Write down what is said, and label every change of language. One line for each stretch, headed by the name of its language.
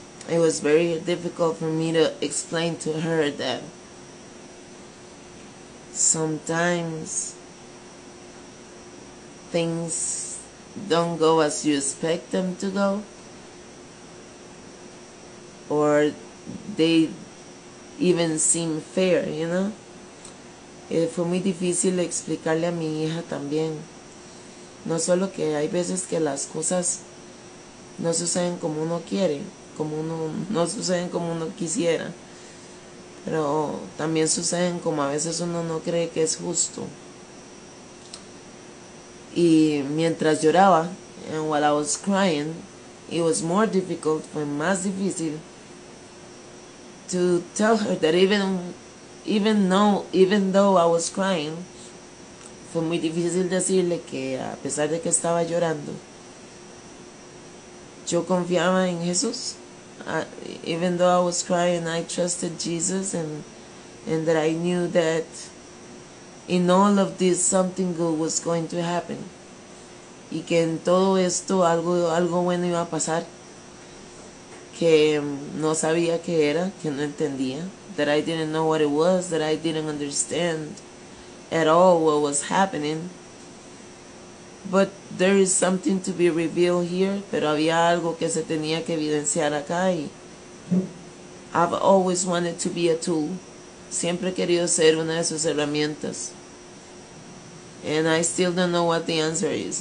English: It was very difficult for me to explain to her that sometimes things don't go as you expect them to go, or they even seem fair, you know.
Spanish: Fue muy difícil explicarle a mi hija también, no solo que hay veces que las cosas no suceden como uno quiere, como uno no suceden como uno quisiera, pero también suceden como a veces uno no cree que es justo. Y mientras lloraba,
English: and while I was crying, it was more difficult,
Spanish: fue más difícil,
English: to tell her that even though I was crying,
Spanish: fue muy difícil decirle que a pesar de que estaba llorando, yo confiaba en Jesús.
English: Even though I was crying, I trusted Jesus, and that I knew that in all of this, something good was going to happen.
Spanish: Y que en todo esto algo bueno iba a pasar. Que no sabía qué era, que no entendía.
English: That I didn't know what it was, that I didn't understand at all what was happening. But there is something to be revealed here.
Spanish: Pero había algo que se tenía que evidenciar acá. Y
English: I've always wanted to be a tool.
Spanish: Siempre he querido ser una de sus herramientas.
English: And I still don't know what the answer is.